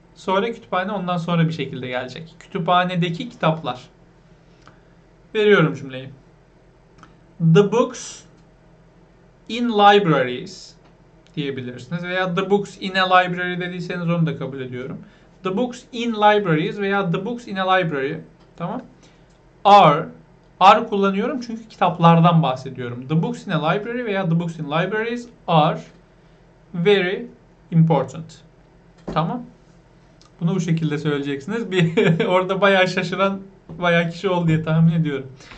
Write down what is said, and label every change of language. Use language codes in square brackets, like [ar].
[tr] Sonra kütüphane, ondan sonra bir şekilde gelecek. Kütüphanedeki kitaplar. Veriyorum cümleyi. [en] The books in libraries [tr] diyebilirsiniz. Veya [en] the books in a library [tr] dediyseniz onu da kabul ediyorum. [en] The books in libraries [tr] veya [en] the books in a library. [tr] Tamam. Are kullanıyorum çünkü kitaplardan bahsediyorum. [en] The books in a library [tr] veya [en] the books in libraries are very important. [tr] Tamam. Bunu bu şekilde söyleyeceksiniz. Bir orada bayağı şaşıran bayağı kişi oldu diye tahmin ediyorum.